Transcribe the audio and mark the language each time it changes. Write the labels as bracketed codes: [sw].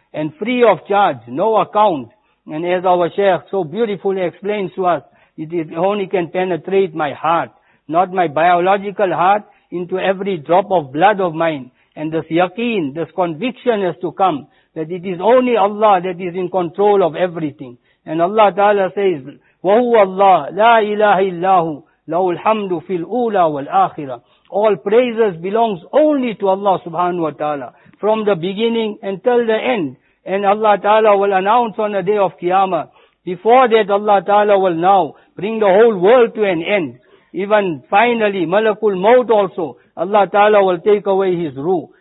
[en] And free of charge, no account. And as our Shaykh so beautifully explains to us, it is only can penetrate my heart, not my biological heart, into every drop of blood of mine. And this yaqeen, this conviction has to come, that it is only Allah that is in control of everything. And Allah Ta'ala says, [ar] وَهُوَ اللَّهُ لَا إِلَهَ إِلَّهُ لَهُ الْحَمْدُ فِي الْأُولَى وَالْآخِرَةِ. [en] All praises belongs only to Allah subhanahu wa ta'ala, from the beginning until the end. And Allah Ta'ala will announce on the day of Qiyamah. Before that, Allah Ta'ala will now bring the whole world to an end. Even finally, Malakul Maut also, Allah Ta'ala will take away his ruh.